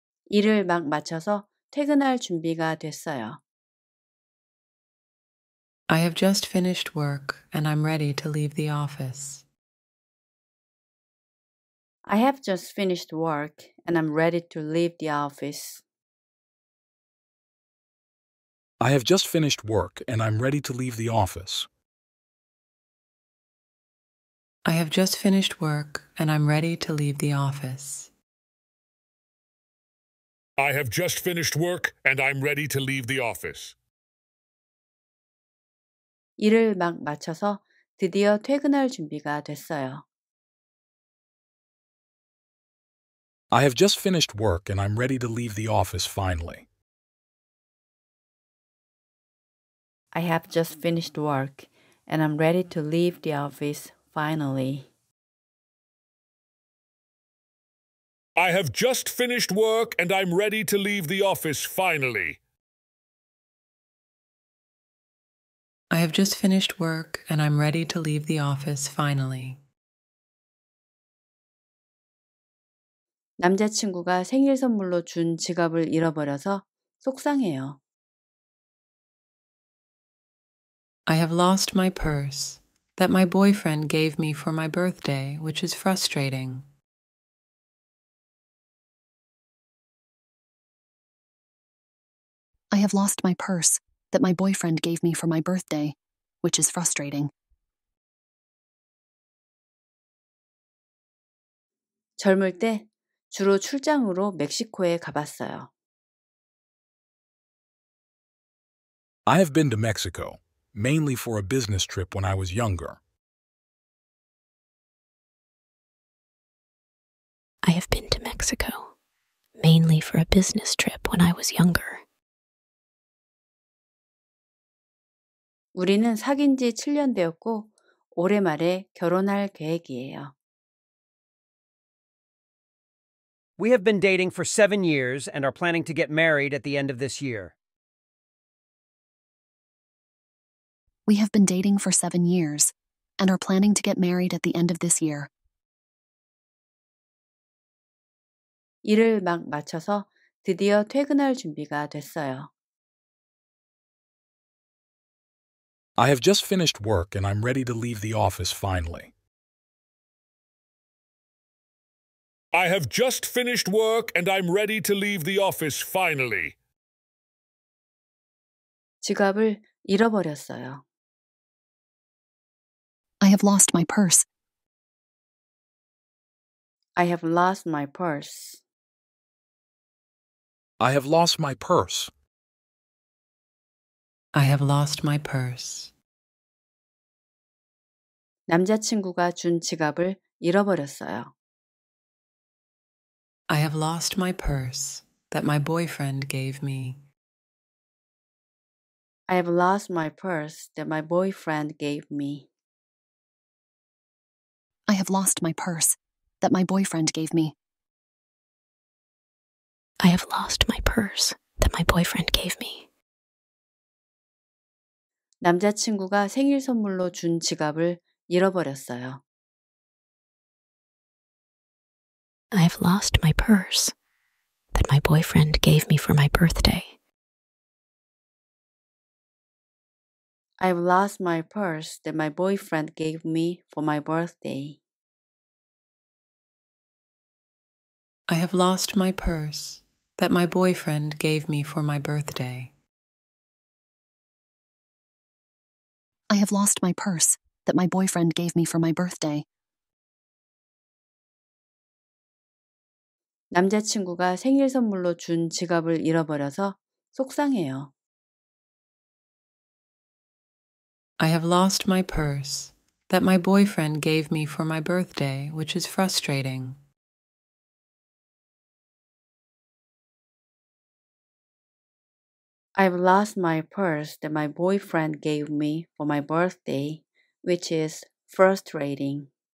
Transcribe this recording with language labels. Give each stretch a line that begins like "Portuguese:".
Korean: 일을 막 마쳐서 퇴근할 준비가 됐어요.
English: I have just finished work and I'm ready to leave the office. I have just finished work and I'm ready to leave the office. I have just finished work and I'm ready to leave the office. I have just finished work and I'm ready to leave the office. I have just finished work and I'm ready to leave the office.
Korean: 일을 막 마쳐서 드디어 퇴근할 준비가 됐어요.
English: I have just finished work and I'm ready to leave the office finally. I have just finished work and I'm ready to leave the office finally. I have just finished work and I'm ready to leave the office finally. I have just finished work and I'm ready to leave the office finally.
Korean: 남자친구가 생일 선물로 준 지갑을 잃어버려서 속상해요.
English: I have lost my purse that my boyfriend gave me for my birthday, which is frustrating. I have lost my purse that my boyfriend gave me for my birthday, which is frustrating.
Korean: 젊을 때 주로 출장으로 멕시코에 가봤어요.
English: I have been to Mexico, mainly for a business trip when I was younger. I have been to Mexico, mainly for a business trip when I was younger.
Korean: 우리는 사귄 지 7년 되었고 올해 말에 결혼할 계획이에요.
English: We have been dating for 7 years and are planning to get married at the end of this year. We have been dating for 7 years and are planning to get married at the end of this year.
Korean: 일을 막 마쳐서 드디어 퇴근할 준비가 됐어요.
English: I have just finished work and I'm ready to leave the office finally. I have just finished work and I'm ready to leave the office finally.
Korean: 지갑을 잃어버렸어요.
English: I have lost my purse. I have lost my purse. I have lost my purse. I have lost my purse.
Korean: 남자친구가 준 지갑을 잃어버렸어요.
English: I have lost my purse that my boyfriend gave me. I have lost my purse that my boyfriend gave me. I have lost my purse that my boyfriend gave me. I have lost my purse that my boyfriend gave me.
Korean: 남자친구가 생일 선물로 준 지갑을 잃어버렸어요.
English: I have lost my purse that my boyfriend gave me for my birthday. I have lost my purse that my boyfriend gave me for my birthday. I have lost my purse that my boyfriend gave me for my birthday. I have lost my purse that my boyfriend gave me for my birthday.
Korean: 남자친구가 생일 선물로 준 지갑을 잃어버려서 속상해요.
English: I have lost my purse that my boyfriend gave me for my birthday, which is frustrating. I've lost my purse that my boyfriend gave me for my birthday, which is frustrating.